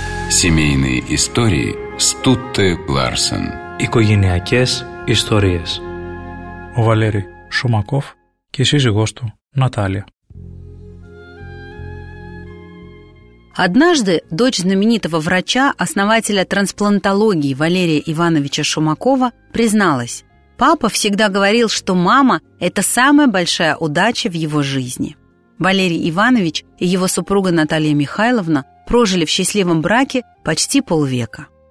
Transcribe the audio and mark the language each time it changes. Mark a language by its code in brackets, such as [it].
[ru] Семейные истории Стутте Ларсен. [el] Οικογενειακές ιστορίες. Ο Βαλέρη Σουμακόφ και η σύζυγός του Νατάλια. [ru] Однажды дочь знаменитого врача, основателя трансплантологии Валерия Ивановича Шумакова, призналась: «Папа всегда говорил, что мама – это самая большая удача в его жизни». Валерий Иванович и его супруга Наталья Михайловна прожили в счастливом браке почти полвека.